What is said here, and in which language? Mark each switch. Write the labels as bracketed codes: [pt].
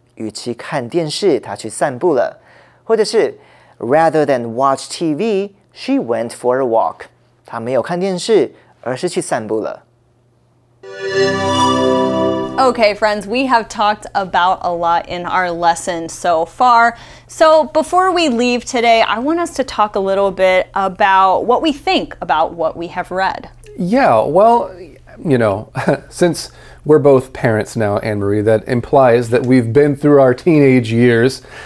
[zh] 与其看电视，她去散步了。或者是 [en] ，Rather than watch TV, she went for a walk. [zh] 她没有看电视，而是去散步了。 [en] Okay, friends, we have talked about a lot in our lesson so far. So before we leave today, I want us to talk a little bit about what we think about what we have read. Yeah, well, you know, since we're both parents now, Anne-Marie, that implies that we've been through our teenage years.